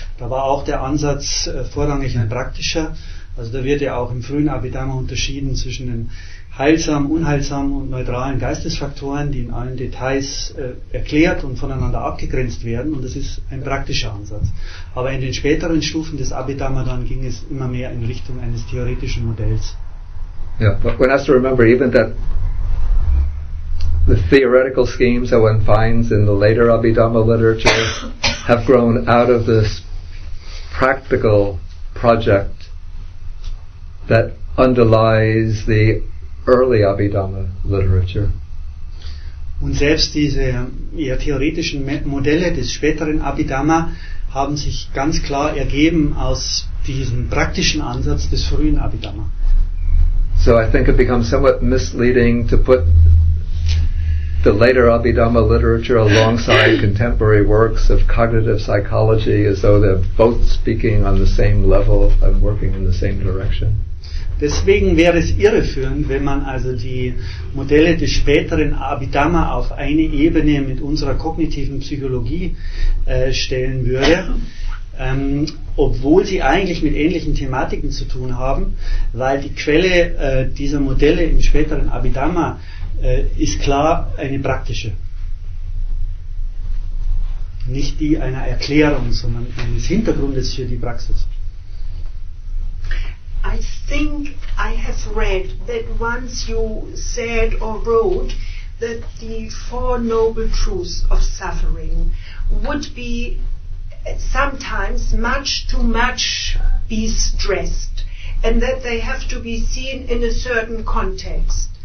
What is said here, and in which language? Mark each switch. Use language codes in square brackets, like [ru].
[de] Da war auch der Ansatz vorrangig ein praktischer. Also da wird ja auch im frühen Abhidhamma unterschieden zwischen den heilsamen, unheilsamen und neutralen Geistesfaktoren, die in allen Details erklärt und voneinander abgegrenzt werden. Und das ist ein praktischer Ansatz. Aber in den späteren Stufen des Abhidhamma dann ging es immer mehr in Richtung eines theoretischen Modells. [en] Yeah, but one has to remember even that the theoretical schemes that one finds in the later Abhidhamma literature have grown out of this practical project that underlies the early Abhidhamma literature. [de] Und selbst diese eher theoretischen Modelle des späteren Abhidhamma haben sich ganz klar ergeben aus diesem praktischen Ansatz des frühen Abhidhamma. [en] So I think it becomes somewhat misleading to put the later Abhidhamma literature alongside contemporary works of cognitive psychology as though they're both speaking on the same level and working in the same direction. [de] Deswegen wäre es irreführend, wenn man also die Modelle des späteren Abhidhamma auf eine Ebene mit unserer kognitiven Psychologie stellen würde, obwohl sie eigentlich mit ähnlichen Thematiken zu tun haben, weil die Quelle dieser Modelle im späteren Abhidhamma ist klar eine praktische. Nicht die einer Erklärung, sondern eines Hintergrundes für die Praxis. [en] I think I have read that once you said or wrote that the Four Noble Truths of Suffering would be sometimes much too much be stressed and that they have to be seen in a certain context.